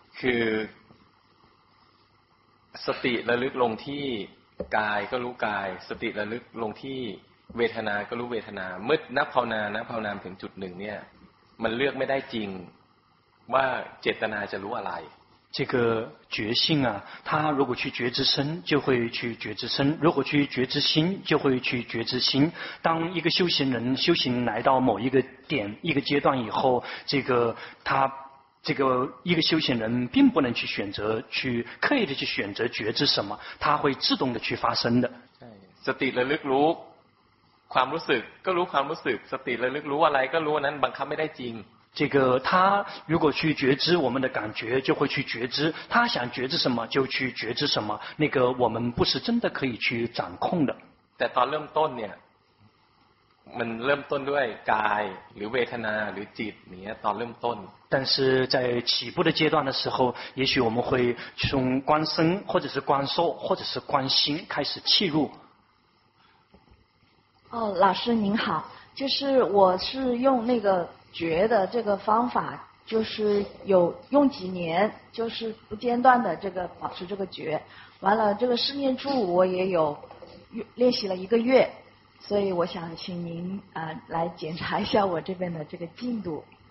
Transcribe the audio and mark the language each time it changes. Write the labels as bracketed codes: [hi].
[th] 是สติระลึกลงที่กายก็รู้กายสติระลึกลงที่เวทนาก็รู้เวทนาเมื่อนับภาวนานับภาวนาถึงจุดหนึ่งเนี่ยมันเลือกไม่ได้จริงว่าเจตนาจะรู้อะไร [zh] 这个觉性啊他如果去觉知身就会去觉知身如果去觉知心就会去觉知心当一个修行人修行来到某一个点一个阶段以后这个他这个一个修行人并不能去选择去刻意的去选择觉知什么它会自动的去发生的 [th] สติระลึกรู้ความรู้สึกก็รู้ความรู้สึกสติระลึกรู้อะไรก็รู้นั้นบังคับไม่ได้จริง [zh] 这个他如果去觉知我们的感觉就会去觉知他想觉知什么就去觉知什么那个我们不是真的可以去掌控的 [th] แต่ตอนเริ่มต้นเนี่ยมันเริ่มต้นด้วยกายหรือเวทนาหรือจิตเนี่ยตอนเริ่มต้น [zh] 但是在起步的阶段的时候也许我们会从观身或者是观受或者是观心开始契入哦，老师您好就是我是用那个觉的这个方法就是有用几年就是不间断的这个保持这个觉完了这个试念处我也有练习了一个月所以我想请您来检查一下我这边的这个进度